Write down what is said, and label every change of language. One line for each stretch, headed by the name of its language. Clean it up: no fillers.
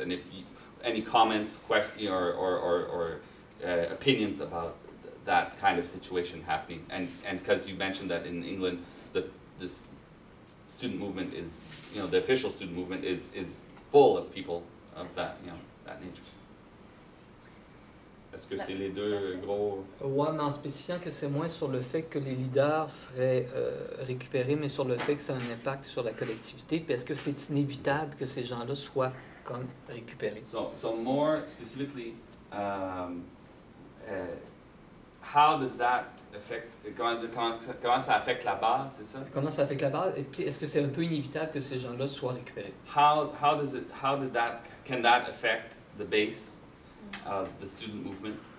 English: And if you, any comments, questions, or opinions about that kind of situation happening, and because you mentioned that in England, this student movement is, you know, the official student movement is full of people of that, you know, that nature.
French: Est-ce que c'est les deux gros? Ouais, mais en spécifiant que c'est moins sur le fait que les leaders seraient récupérés, mais sur le fait que ça a un impact sur la collectivité. Puis est-ce que c'est inévitable que ces gens-là soient comme récupérés?
English: So more specifically, how does that affect?
French: Comment ça affecte la base, c'est ça? Comment ça affecte la base? Et puis est-ce que c'est un peu inévitable que ces gens-là soient récupérés?
English: How does it? How did that? Can that affect the base of the student movement?